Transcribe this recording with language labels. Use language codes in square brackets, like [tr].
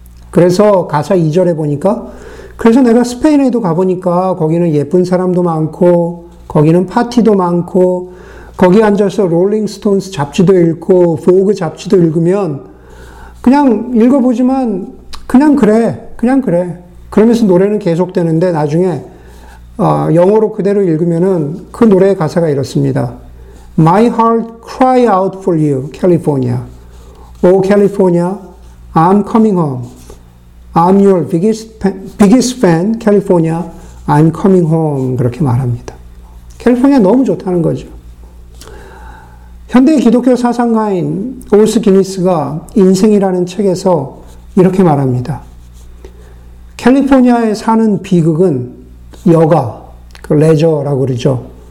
[ko] 그래서 가사 2절에 보니까, 그래서 내가 스페인에도 가보니까 거기는 예쁜 사람도 많고 거기는 파티도 많고 거기 앉아서 롤링스톤스 잡지도 읽고 보그 잡지도 읽으면 그냥 읽어보지만 그냥 그래 그러면서 노래는 계속되는데, 나중에 영어로 그대로 읽으면은 그 노래의 가사가 이렇습니다. [en] My heart cry out for you, California. Oh, California, I'm coming home. I'm your biggest fan, California. I'm coming home. [ko] 그렇게 말합니다. 캘리포니아 너무 좋다는 거죠. 현대 기독교 사상가인 오스 기니스가 인생이라는 책에서 이렇게 말합니다. 캘리포니아에 사는 비극은 여가, 그 레저라고 그러죠.